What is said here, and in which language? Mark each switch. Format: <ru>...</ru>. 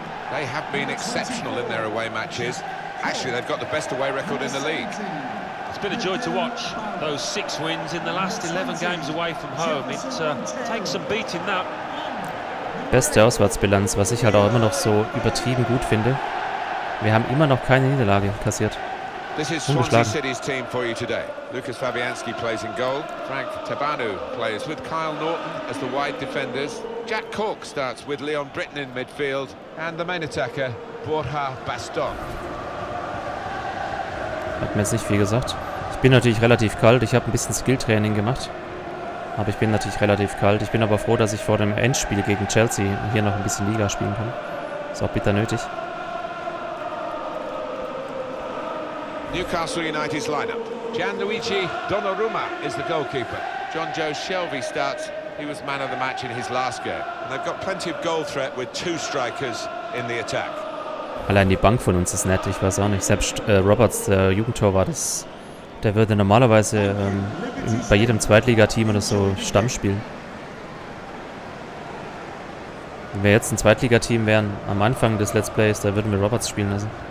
<en>They have been exceptional in their away matches. Actually, they've got the best away record in the league. It's been a joy to watch those 6 wins in the last 11 games away from home. It takes some beating that.</en> <de>Beste Auswärtsbilanz, was ich halt auch immer noch so übertrieben gut finde. Wir haben immer noch keine Niederlage kassiert.</de> <en>This is Swansea City's team for you today. Lukas Fabianski plays in goal. Frank Tabanu plays with Kyle Norton as the wide defenders. Jack Cork starts with Leon Britton in midfield. And the main attacker, Borja Bastón.</en> <de>Hat mir jetzt nicht viel gesagt. Ich bin natürlich relativ kalt. Ich habe ein bisschen Skilltraining gemacht. Aber ich bin natürlich relativ kalt. Ich bin aber froh, dass ich vor dem Endspiel gegen Chelsea hier noch ein bisschen Liga spielen kann. Ist auch bitter nötig.</de> <en>Newcastle United's lineup. Gianluigi Donnarumma is the goalkeeper. Jonjo Shelvey starts. He was man of the match in his last game. And they've got plenty of goal threat with two strikers in the attack.</en> <de>Allein die Bank von uns ist nett, ich weiß auch nicht. Selbst Roberts, der Jugendtorwart, der würde normalerweise bei jedem Zweitligateam oder so Stamm spielen. Wenn wir jetzt ein Zweitligateam wären am Anfang des Let's Plays, da würden wir Roberts spielen lassen.</de>